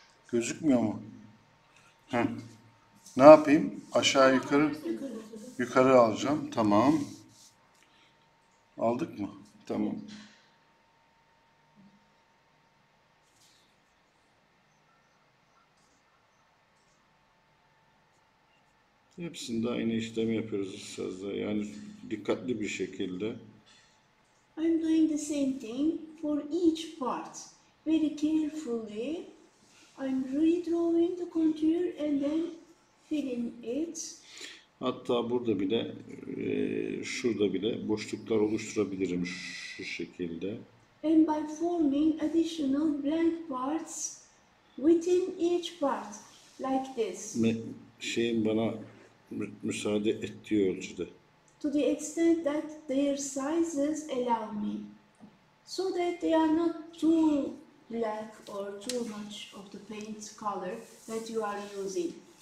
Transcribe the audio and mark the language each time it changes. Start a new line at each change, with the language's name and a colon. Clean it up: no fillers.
Turkish: Gözükmüyor mu? Hı. Ne yapayım? Aşağı yukarı. Yukarı alacağım. Tamam. Aldık mı? Tamam. Hepsinde aynı işlemi yapıyoruz sizde. Yani dikkatli bir şekilde.
English: I'm doing the same thing for each part. Very carefully. I'm redrawing the contour and then filling it.
Turkish: Hatta burada bile, şurada bile boşluklar oluşturabilirim şu şekilde.
English: and by forming additional blank parts within each part, like this.
Turkish: Şeyin bana müsaade ettiği ölçüde.
English: To the extent that their sizes allow me, so that they are not too black or too much of the paint color that you are using.